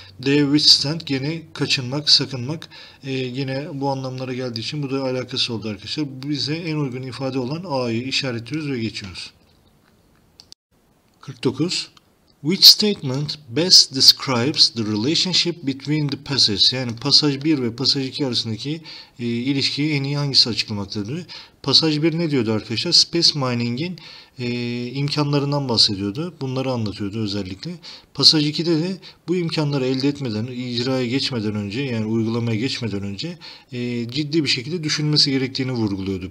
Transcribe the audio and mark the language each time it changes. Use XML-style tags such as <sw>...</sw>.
<tr>D, withstand, gene kaçınmak, sakınmak, yine bu anlamlara geldiği için bu da alakası oldu arkadaşlar. Bize en uygun ifade olan A'yı işaretliyoruz ve geçiyoruz. 49.</tr> <en>Which statement best describes the relationship between the passages?</en> <tr>Yani pasaj 1 ve pasaj 2 arasındaki ilişkiyi en iyi hangisi açıklamaktadır? Pasaj 1 ne diyordu arkadaşlar? Space mining'in imkanlarından bahsediyordu. Bunları anlatıyordu özellikle. Pasaj 2'de de bu imkanları elde etmeden, icraya geçmeden önce, yani uygulamaya geçmeden önce ciddi bir şekilde düşünülmesi gerektiğini vurguluyordu.</tr>